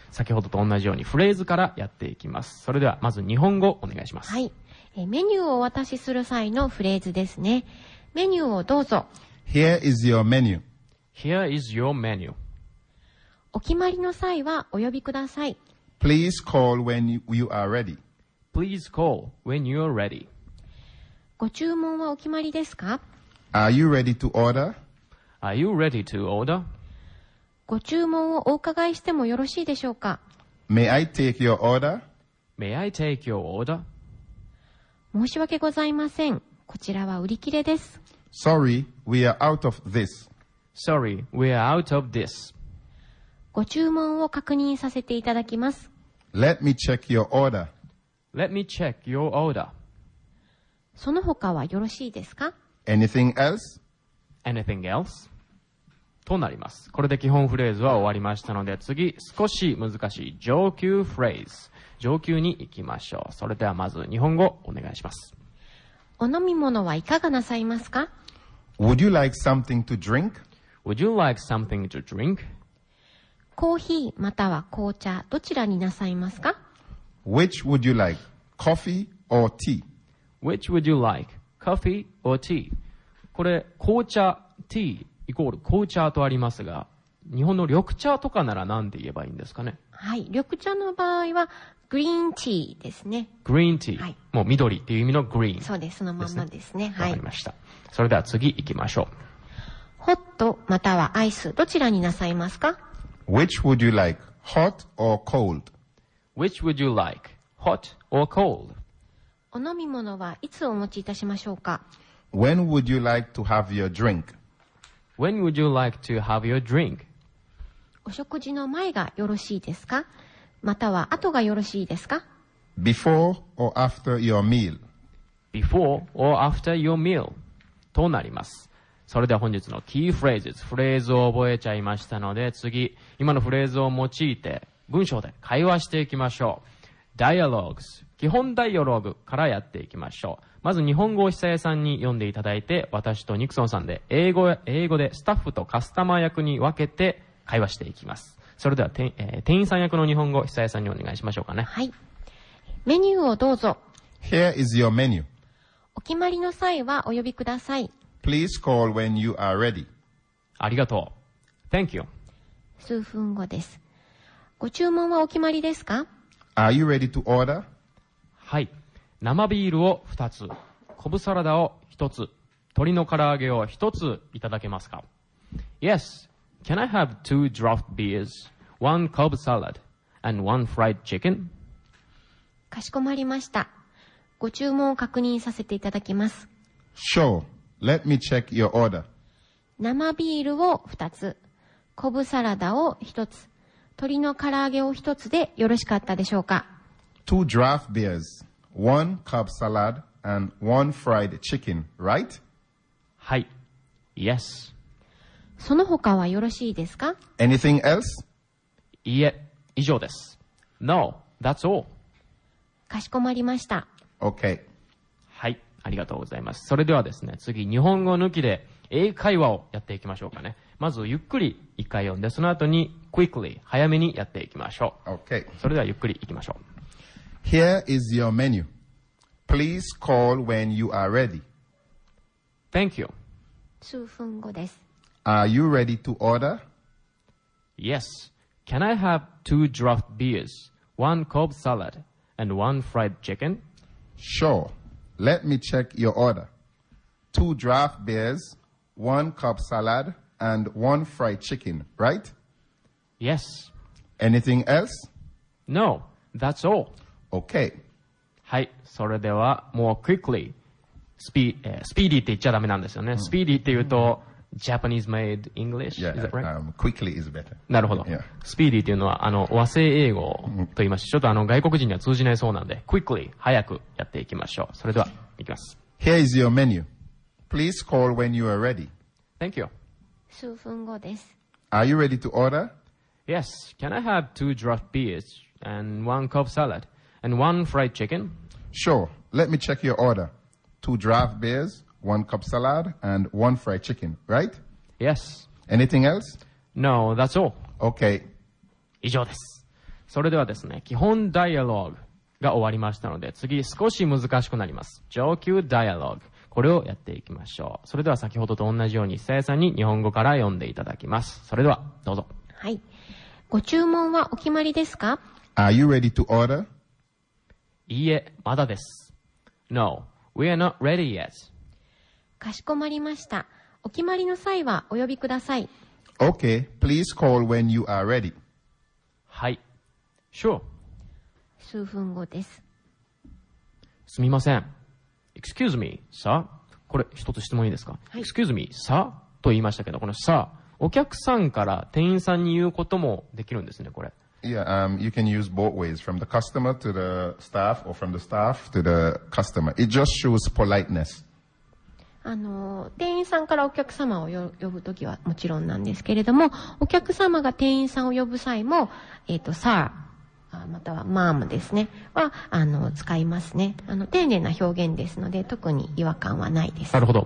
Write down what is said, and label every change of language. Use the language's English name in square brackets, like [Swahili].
[Japanese] 先ほどと同じようにフレーズからやっていきます。それではまず日本語お願いします。はい、メニューをお渡しする際のフレーズですね。メニューをどうぞ。 [English] Here is your menu. Here is your menu. [Japanese] お決まりの際はお呼びください。 [English] Please call when you are ready. Please call when you are ready. [Japanese] ご注文はお決まりですか? [English] Are you ready to order? Are you ready to order? [Japanese] ご注文をお伺いしてもよろしいでしょうか? [English] May I take your order? May I take your order? [Japanese] 申し訳ございません。こちらは売り切れです。 [English] Sorry, we are out of this. Sorry, we are out of this. [Japanese] ご注文を確認させていただきます。 [English] Let me check your order. Let me check your order. [Japanese] その他はよろしいですか? [English] Anything else? Anything else? [Japanese] となります。これで基本フレーズは終わりましたので、次、少し難しい上級フレーズ。上級に行きましょう。それではまず日本語お願いします。お飲み物はいかがなさいますか? [English] Would you like something to drink? Would you like something to drink? [Japanese] コーヒーまたは紅茶どちらになさいますか? [English] Which would you like, coffee or tea? Which would you like, coffee or tea? [Japanese] これ紅茶 tea イコール紅茶とありますが、日本の緑茶とかなら何て言えばいいんですかね? はい、緑茶の場合はグリーンティーですね。グリーンティー、はい、もう緑っていう意味のグリーン、そうです、そのまんまですね。わかりました、はい、それでは次行きましょう。ホットまたはアイスどちらになさいますか? [English] Which would you like, hot or cold? Which would you like, hot or cold? [Japanese] お飲み物はいつお持ちいたしましょうか? [English] When would you like to have your drink? When would you like to have your drink? [Japanese] お食事の前がよろしいですか?または後がよろしいですか? [English] Before or after your meal. Before or after your meal. [Japanese] となります。それでは本日のキーフレーズ、フレーズを覚えちゃいましたので、次、今のフレーズを用いて文章で会話していきましょう。 [English] Dialogues。 [Japanese] 基本ダイアログからやっていきましょう。まず日本語を久江さんに読んでいただいて、私とニクソンさんで英語でスタッフとカスタマー役に分けて、会話していきます。それでは、店員さん役の日本語、久江さんにお願いしましょうかね。はい。メニューをどうぞ。 [English] Here is your menu. [Japanese] お決まりの際はお呼びください。 [English] Please call when you are ready. [Japanese] ありがとう。 [English] Thank you. [Japanese] 数分後です。ご注文はお決まりですか? [English] Are you ready to order? [Japanese] はい。生ビールを2つ、昆布サラダを1つ、鶏の唐揚げを1ついただけますか? [English] Yes. Can I have two draft beers, one cob salad, and one fried chicken? [Japanese] かしこまりました。ご注文を確認させていただきます。 [English] Sure. Let me check your order. [Japanese] 生ビールを2つ、コブサラダを1つ、鶏の唐揚げを1つでよろしかったでしょうか? [English] Two draft beers, one cob salad, and one fried chicken, right? [Japanese] はい。Yes. その他はよろしいですか? [English] Anything else? [Japanese] いえ、以上です。 [English] No, that's all. [Japanese] かしこまりました。 [English] Okay. [Japanese] はい、ありがとうございます。それではですね、次、日本語抜きで英会話をやっていきましょうかね。まず、ゆっくり一回読んで、その後に、quickly、早めにやっていきましょう。 [English] Okay. [Japanese] それでは、ゆっくり行きましょう。 [English] Here is your menu. Please call when you are ready. Thank you. [Japanese] 数分後です。 [English] Are you ready to order? Yes. Can I have two draft beers, one cob salad, and one fried chicken? Sure. Let me check your order. Two draft beers, one cob salad, and one fried chicken, right? Yes. Anything else? No. That's all. Okay. [Japanese] はい。それでは、 [English] more quickly. [Japanese] Speedy って言っちゃダメなんですよね。 [English] Speedy [Japanese] って言うと、 [English] Japanese made English? Yeah, is that right? Quickly is better. [Japanese] なるほど。 [English] Yeah. [Japanese] Speedy というのは和製英語と言いまして、ちょっと外国人には通じないそうなんで、Quickly、早くやっていきましょう。それでは、いきます。 [English] Here is your menu. Please call when you are ready. Thank you. [Japanese] 数分後です。 [English] Are you ready to order? Yes. Can I have two draft beers and one cob salad and one fried chicken? Sure. Let me check your order. Two draft beers. One cup salad and one fried chicken, right? Yes. Anything else? No, that's all. Okay. [Japanese] 以上です。それではですね、基本ダイアログが終わりましたので、次少し難しくなります。上級ダイアログ。これをやっていきましょう。それでは先ほどと同じように、久江さんに日本語から読んでいただきます。それでは、どうぞ。はい。ご注文はお決まりですか? [English] Are you ready to order? [Japanese] いいえ、まだです。 [English] No, we are not ready yet. [Japanese] かしこまりました。お決まりの際はお呼びください。 [English] Okay, please call when you are ready. [Japanese] はい。 [English] Sure. [Japanese] 数分後です。すみません。 [English] Excuse me, sir. [Japanese] これ一つ質問いいですか、はい、 [English] Excuse me, sir. [Japanese] と言いましたけど、このさ、お客さんから店員さんに言うこともできるんですね、これ。 [English] Yeah, you can use both ways, from the customer to the staff, or from the staff to the customer. It just shows politeness. [Japanese] 店員さんからお客様を呼ぶときはもちろんなんですけれども、お客様が店員さんを呼ぶ際も、さ、またはマームですね、は使いますね。丁寧な表現ですので特に違和感はないです。なるほど。